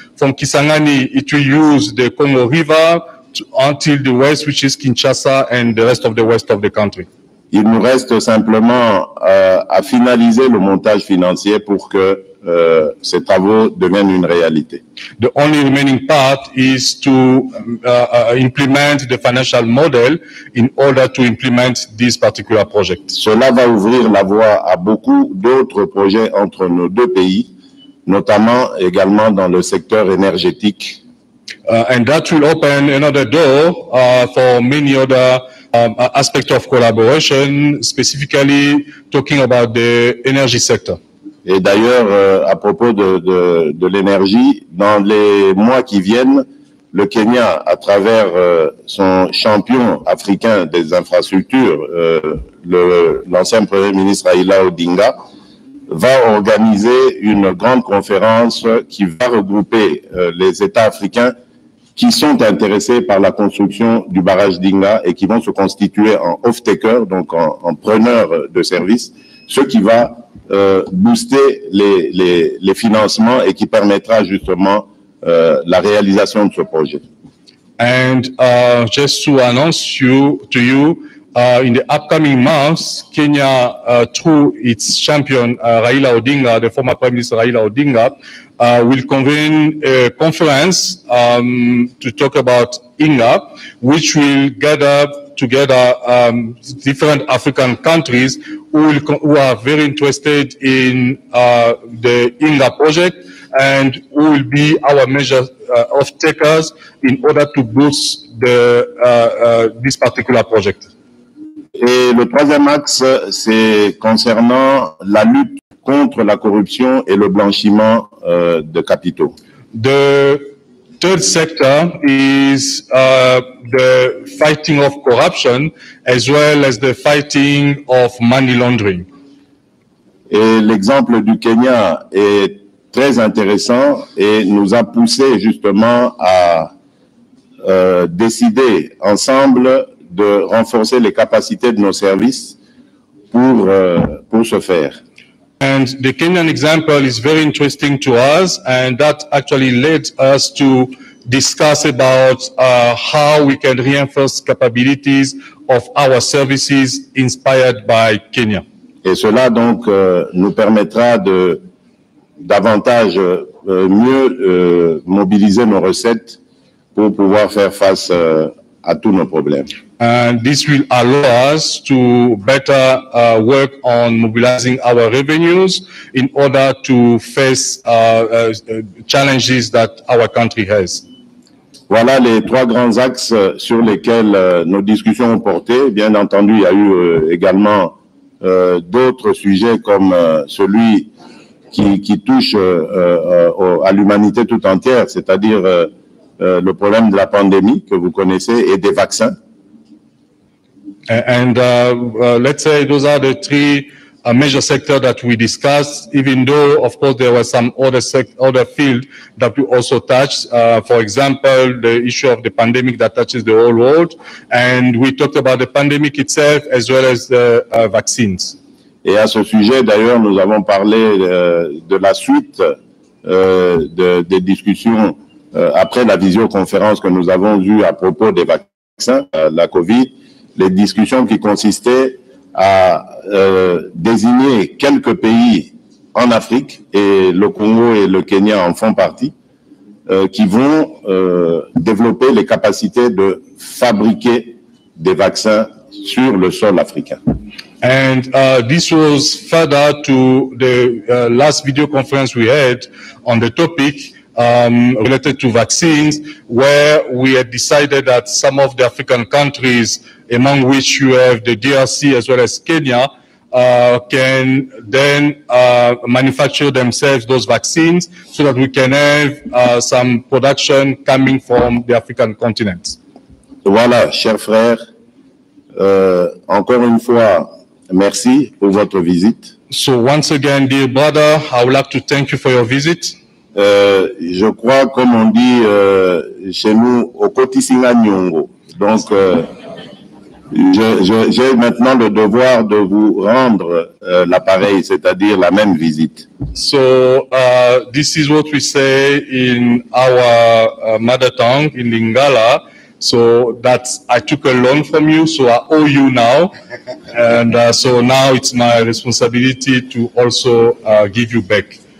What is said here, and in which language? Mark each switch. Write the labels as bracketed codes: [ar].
[en] From Kisangani, it will use the Congo River until the west, which is Kinshasa, and the rest of the west of the country. [fr] Il nous reste simplement à finaliser le montage financier pour que ces travaux deviennent une réalité. [en] The only remaining part is to implement the financial model in order to implement this particular project. [fr] Cela va ouvrir la voie à beaucoup d'autres projets entre nos deux pays, notamment également dans le secteur énergétique. [en] And that will open another door for many other aspects of collaboration, specifically talking about the energy sector. [fr] Et d'ailleurs, à propos de l'énergie, dans les mois qui viennent, le Kenya, à travers son champion africain des infrastructures, l'ancien Premier ministre Raila Odinga, va organiser une grande conférence qui va regrouper les États africains qui sont intéressés par la construction du barrage d'Inga et qui vont se constituer en off-taker, donc en preneur de services, ce qui va booster les financements et qui permettra justement la réalisation de ce projet. [en] And just to announce to you, in the upcoming months, Kenya, through its champion Raila Odinga, the former Prime Minister Raila Odinga, will convene a conference to talk about Inga, which will gather together different African countries who are very interested in the Inga project and who will be our major off-takers in order to boost this particular project. [fr] Et le troisième axe, c'est concernant la lutte contre la corruption et le blanchiment de capitaux. [en] The third sector is the fighting of corruption as well as the fighting of money laundering. [fr] Et l'exemple du Kenya est très intéressant et nous a poussé justement à décider ensemble de renforcer les capacités de nos services pour ce faire. [en] And the Kenyan example is very interesting to us, and that actually led us to discuss about how we can reinforce capabilities of our services inspired by Kenya. [fr] Et cela donc nous permettra de davantage mieux mobiliser nos recettes pour pouvoir faire face à tous nos problèmes. [en] And this will allow us to better work on mobilizing our revenues in order to face challenges that our country has. [fr] Voilà les trois grands axes sur lesquels nos discussions ont porté. Bien entendu, il y a eu également d'autres sujets comme celui qui touche à l'humanité tout entière, c'est-à-dire le problème de la pandémie que vous connaissez et des vaccins. [en] And let's say those are the three major sectors that we discussed, even though, of course, there were some other fields that we also touched. For example, the issue of the pandemic that touches the whole world. And we talked about the pandemic itself as well as the vaccines. [fr] Et à ce sujet, d'ailleurs, nous avons parlé de la suite des discussions après la visioconférence que nous avons eue à propos des vaccins, la COVID. Les discussions qui consistaient à désigner quelques pays en Afrique, et le Congo et le Kenya en font partie, qui vont développer les capacités de fabriquer des vaccins sur le sol africain. [en] And this was further to the last video conference we had on the topic related to vaccines, where we had decided that some of the African countries, among which you have the DRC as well as Kenya, can then manufacture themselves those vaccines so that we can have some production coming from the African continent. [fr] Voilà, chers frères, encore une fois, merci pour votre visite. [en] So once again, dear brother, I would like to thank you for your visit. [fr] Je crois, comme on dit chez nous, au [ln] Kotisinga Nyongo. [fr] Donc, j'ai maintenant le devoir de vous rendre l'appareil, c'est-à-dire la même visite. [en] So, this is what we say in our mother tongue, in Lingala. So that I took a loan from you, so I owe you now. And so now it's my responsibility to also give you back.